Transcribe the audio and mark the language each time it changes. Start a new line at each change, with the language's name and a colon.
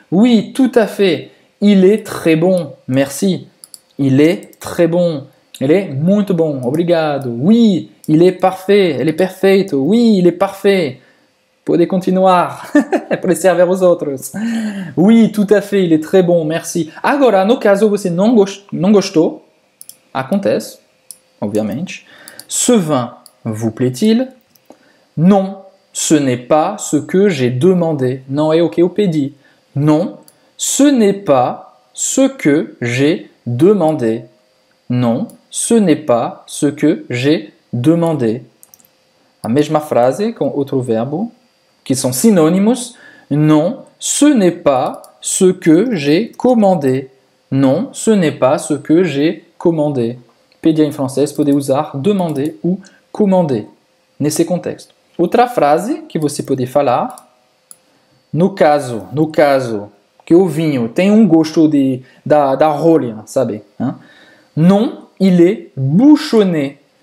French: Oui, tout à fait. » Il est très bon, merci. Il est très bon. Il est muito bon, obrigado. Oui, il est parfait. Il est perfeito. Oui, il est parfait.
Portuguese: Pode continuar. Pode servir aos outros.
French: Oui, tout à fait, il est très bon, merci.
Portuguese: Agora, no caso, você não gostou. Acontece, obviamente.
French: Ce vin vous plaît-il? Non, ce n'est pas ce que j'ai demandé. Non,
Portuguese: é o que eu pedi.
French: Non. Ce n'est pas ce que j'ai demandé. Non, ce n'est pas ce que j'ai demandé.
Portuguese: A mesma frase com outro verbo,
French: qui sont synonymes. Non, ce n'est pas ce que j'ai commandé. Non, ce n'est pas ce que j'ai commandé.
Portuguese: Pedir em francês, pode usar demander ou commander. Nesse contexto. Outra frase que você pode falar. No caso, que o vinho tem gosto da rolha, sabe?
French: Hein? Non, il est bouchonné.